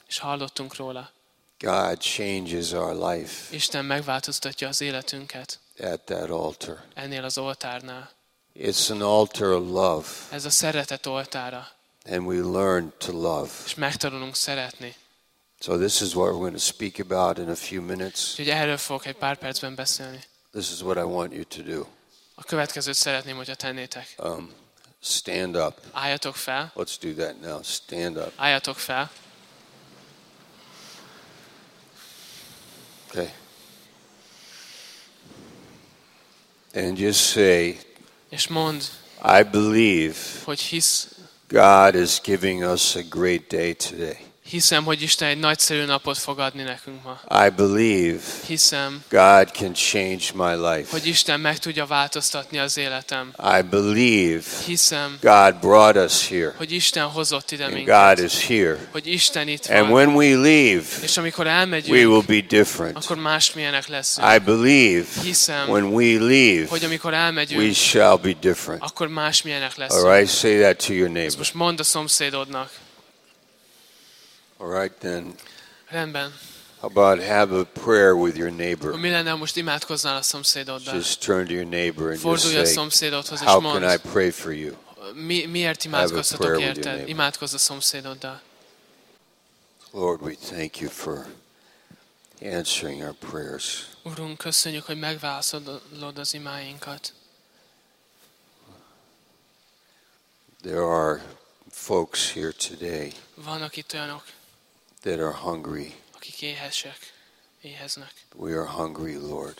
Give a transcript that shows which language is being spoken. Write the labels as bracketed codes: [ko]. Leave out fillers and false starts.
[hu] És hallottunk róla. [en] God changes our life. [hu] Isten megváltoztatja az életünket. [en] At that altar. [hu] Ennél az oltárnál. [en] It's an altar of love. [hu] Ez a szeretet oltára. [en] And we learn to love. [hu] És megtanulunk szeretni. [en] So this is what we're going to speak about in a few minutes. [hu] Úgyhogy erről fogok egy pár percben beszélni. [en] This is what I want you to do. [hu] A következőt szeretném, hogyha tennétek. [en] Stand up. [hu] Álljatok fel. [en] Let's do that now. Stand up. [hu] Álljatok fel. [en] Okay. And just say, [hu] és mondd, [en] I believe, [hu] hogy hisz, [en] God is giving us a great day today. [hu] Hiszem, hogy Isten egy nagyszerű napot fog adni nekünk ma. [en] I believe, [hu] hiszem, [en] God can change my life. [hu] Hogy Isten meg tudja változtatni az életem. [en] I believe, [hu] hiszem, [en] God brought us here. [hu] Hogy Isten hozott ide minket. [en] And God is here. [hu] Hogy Isten itt van. [en] And when we leave, [hu] és amikor elmegyünk, [en] we will be different. [hu] Akkor másmilyenek leszünk. [en] I believe, [hu] hiszem, [en] when we leave, [hu] hogy amikor elmegyünk, [en] we shall be different. [hu] Akkor másmilyenek leszünk. [en] All right, say that to your neighbor. [hu] Most mondd a szomszédodnak. [en] All right then. [hu] Rendben. [en] How about have a prayer with your neighbor? [hu] Mi lenne, most imádkoznál a szomszédoddal? [en] Just turn to your neighbor and [hu] fordulj [en] just say, [hu] a szomszédodhoz, [en] how [hu] mond, [en] can I pray for you? [hu] Miért imádkozhatok érted? Imádkozz a szomszédoddal. [en] Lord, we thank you for answering our prayers. [hu] Urunk, köszönjük, hogy megválaszolod az imáinkat. [en] There are folks here today. [hu] Vannak itt olyanok. [en] That are hungry. [hu] Akik éhesek, éheznek. [en] We are hungry, Lord.